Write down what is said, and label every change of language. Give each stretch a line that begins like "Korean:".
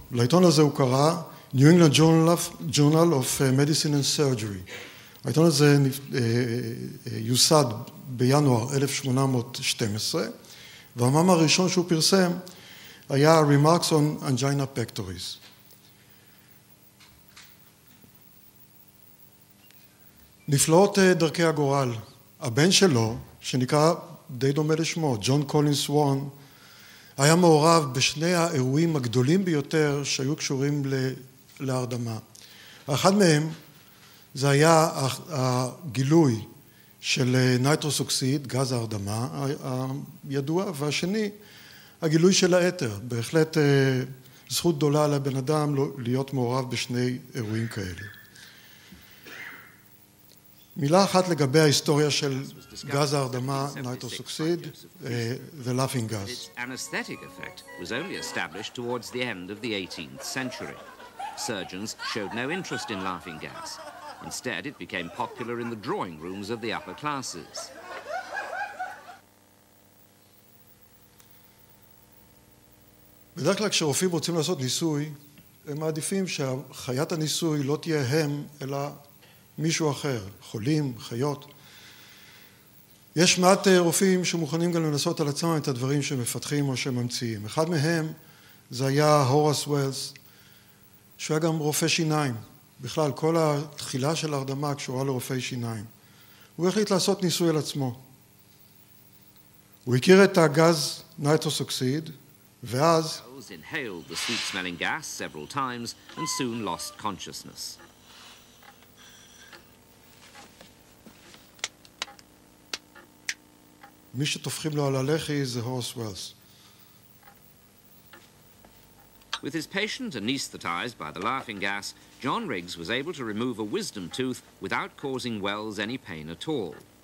Hebrew: לעיתון הזה הוא קרא New England Journal of Medicine and Surgery. העיתון הזה יוסד בינואר 1812, והמאמר הראשון שהוא פרסם היה Remarks on Angina Pectoris. נפלאות דרכי הגורל, הבן שלו, שנקרא די דומה לשמו, ג'ון קולינס וורן, היה מעורב בשני האירועים הגדולים ביותר שהיו קשורים להרדמה. אחד מהם זה היה הגילוי של נייטרוסוקסיד, גז ההרדמה הידוע, והשני הגילוי של האתר. בהחלט זכות גדולה לבן אדם להיות מעורב בשני אירועים כאלה. מילה אחת לגבי ההיסטוריה של גז ההרדמה, נייטרוסוקסיד,
English: the laughing gas. Its anesthetic effect was only established towards the end of the 18th century. Surgeons showed no interest in laughing gas. Instead, it became popular in the drawing rooms of the upper classes.
Hebrew: בדרך כלל כשרופאים רוצים לעשות ניסוי, הם מעדיפים שחיית הניסוי לא תהיה הם, אלא מישהו אחר, חולים, חיות. יש מעט רופאים שמוכנים גם לנסות על עצמם את הדברים שמפתחים או שממציאים. אחד מהם זה היה הורס וולס, שהוא היה גם רופא שיניים. בכלל, כל התחילה של הרדמה קשורה לרופאי שיניים. הוא החליט לעשות ניסוי על עצמו. הוא הכיר את הגז ניטרוס אוקסיד, ואז...
English: inhaled the sweet smelling gas several times and soon lost consciousness.
Hebrew: מי שתופכים לו על הלחי זה הורס וולס.
English: With his patient anesthetized by the laughing gas, John Riggs was able to remove a wisdom tooth without causing Wells any pain at all.